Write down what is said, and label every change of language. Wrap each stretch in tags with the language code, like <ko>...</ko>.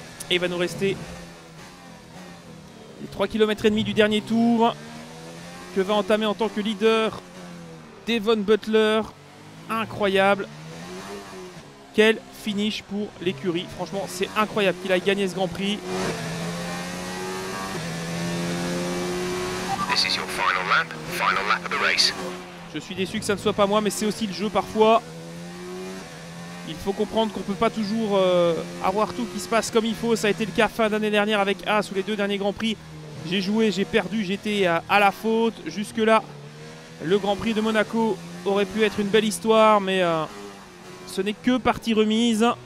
<fr>Et il va nous rester les 3,5 km du dernier tour que va entamer en tant que leader Devon Butler. Incroyable. Quel finish pour l'écurie. Franchement, c'est incroyable qu'il a gagné ce Grand Prix.</fr> <en>This is your final lap of the race.</en> <fr>Je suis déçu que ça ne soit pas moi, mais c'est aussi le jeu parfois. Il faut comprendre qu'on ne peut pas toujours avoir tout qui se passe comme il faut. Ça a été le cas fin d'année dernière avec Haas ou les deux derniers Grands Prix. J'ai joué, j'ai perdu, j'étais à la faute. Jusque-là, le Grand Prix de Monaco aurait pu être une belle histoire, mais ce n'est que partie remise.</fr>